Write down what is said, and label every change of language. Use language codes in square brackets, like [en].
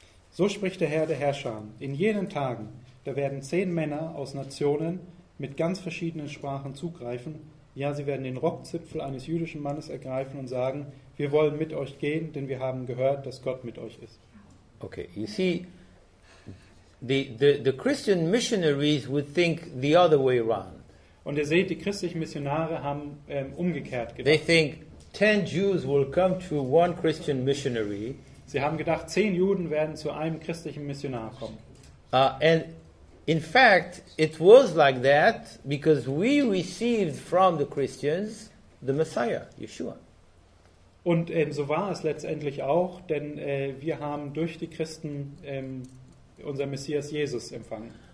[de] So spricht der Herr der Herrscher: In jenen Tagen, da werden 10 Männer aus Nationen mit ganz verschiedenen Sprachen zugreifen. Ja, sie werden den Rockzipfel eines jüdischen Mannes ergreifen und sagen: Wir wollen mit euch gehen, denn wir haben gehört, dass Gott mit euch ist. [en] Okay, you see, the Christian missionaries would think the other way around. [de] Und ihr seht, die christlichen Missionare haben umgekehrt gedacht. [en] They think 10 Jews will come to one Christian missionary. [de] Sie haben gedacht, 10 Juden werden zu einem christlichen Missionar kommen. [en] And in fact, it was like that because we received from the Christians the Messiah, Yeshua. [de] Und so war es letztendlich auch, denn wir haben durch die Christen unser Messias Jesus empfangen.